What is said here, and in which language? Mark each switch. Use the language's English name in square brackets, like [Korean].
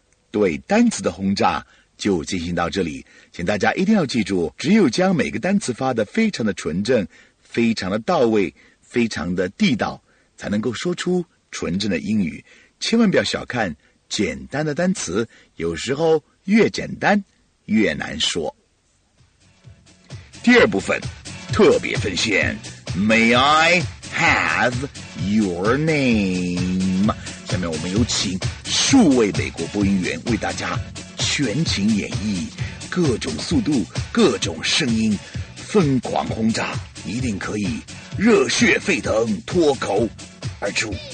[Chinese] 对单词的轰炸就进行到这里，请大家一定要记住，只有将每个单词发得非常的纯正，非常的到位，非常的地道，才能够说出纯正的英语。千万不要小看简单的单词，有时候越简单越难说。第二部分，特别分线 ， [English] May I have your name？ [Chinese] 下面我们有请数位美国播音员为大家。全情演绎，各种速度，各种声音，疯狂轰炸，一定可以热血沸腾，脱口而出。